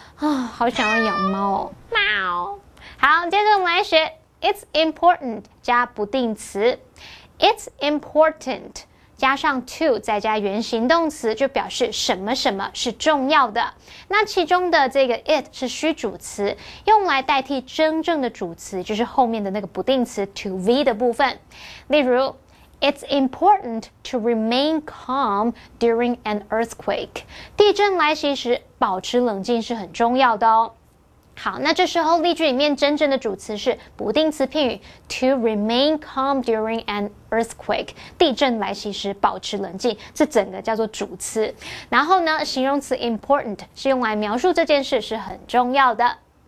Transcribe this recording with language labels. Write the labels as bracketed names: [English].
[Chinese] 啊，好想要养猫哦。猫。好，接着我们来学 [English] it's important [Chinese] 加不定词。 [English] It's important。 [Chinese] 加上 to 再加原形动词，就表示什么什么是重要的。那其中的这个 it 是虚主词，用来代替真正的主词，就是后面的那个不定词 to be 的部分。例如 [English] ，It's important to remain calm during an earthquake。 [Chinese] 地震来袭时，保持冷静是很重要的哦。好，那这时候例句里面真正的主词是不定词片语 [English] to remain calm during an earthquake， [Chinese] 地震来袭时保持冷静，这整个叫做主词。然后呢，形容词 important 是用来描述这件事是很重要的。